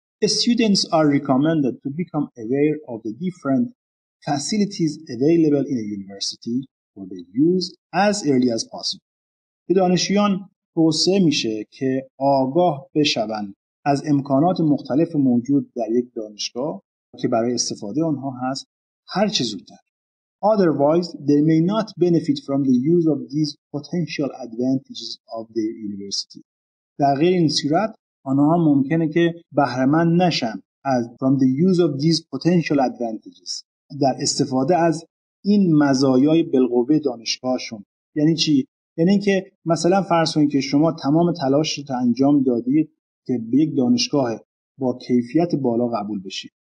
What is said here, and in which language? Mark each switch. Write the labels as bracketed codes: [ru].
[en] Students are recommended to become aware of the different facilities available in a university for their use as early as possible. [fa] به دانشجویان توصیه میشه که آگاه بشوند از امکانات مختلف موجود در یک دانشگاه که برای استفاده آنها هست هر چه زودتر. [en] Otherwise, they may not benefit from the use of these potential advantages of their university. [fa] در غیر این صورت آنها ممکنه که بهره‌مند نشن از [en] from the use of these potential advantages. [fa] در استفاده از این مزایای بالقوه دانشگاهشون. یعنی چی؟ یعنی که مثلا فرض کنید که شما تمام تلاش رو انجام دادید که به یک دانشگاه با کیفیت بالا قبول بشید.